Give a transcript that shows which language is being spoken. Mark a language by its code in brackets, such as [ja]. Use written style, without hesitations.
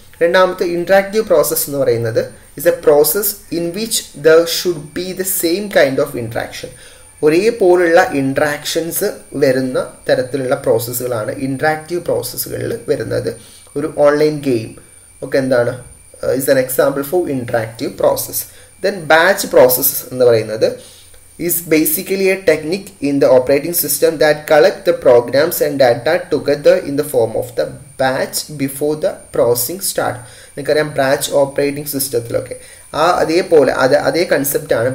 [ml] രണ്ടാമത്തെ interactive process എന്ന് പറയുന്നത് [en] Is a process in which there should be the same kind of interaction. [ml] ഒരേപോലുള്ള interactions വരുന്ന തരത്തിലുള്ള പ്രോസസ്സുകളാണ് interactive പ്രോസസ്സുകളിൽ വരുന്നത്. ഒരു ഓൺലൈൻ ഗെയിം ഒക്കെ എന്താണ് [en] Is an example for interactive process. [ml] Then batch process എന്ന് പറയുന്നത് [en] is basically a technique in the operating system that collect the programs and data together in the form of the batch before the processing start. [ml] നിങ്ങൾക്കറിയാം batch operating സിസ്റ്റത്തിലൊക്കെ ആ അതേപോലെ അതേ കൺസെപ്റ്റാണ്.